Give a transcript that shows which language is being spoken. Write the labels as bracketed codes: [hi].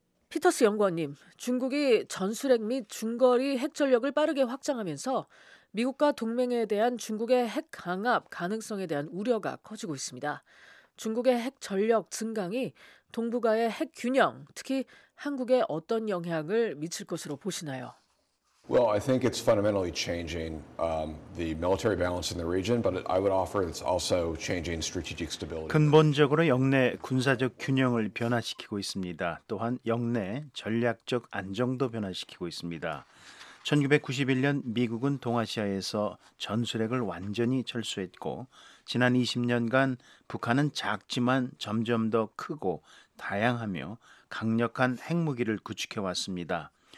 [ko] 피터스 연구원님, 중국이 전술핵 및 중거리 핵전력을 빠르게 확장하면서 미국과 동맹에 대한 중국의 핵 강압 가능성에 대한 우려가 커지고 있습니다. 중국의 핵전력 증강이 동북아의 핵 균형, 특히 한국에 어떤 영향을 미칠 것으로 보시나요? [en] Well, I think it's fundamentally changing the military balance in the region, but I would offer it's also changing strategic stability. [ko] 근본적으로 영내 군사적 균형을 변화시키고 있습니다. 또한 영내 전략적 안정도 변화시키고 있습니다. 1991년 미국은 동아시아에서 전술핵을 완전히 철수했고 지난 20년간 북한은 작지만 점점 더 크고 다양하며 강력한 핵무기를 구축해 왔습니다.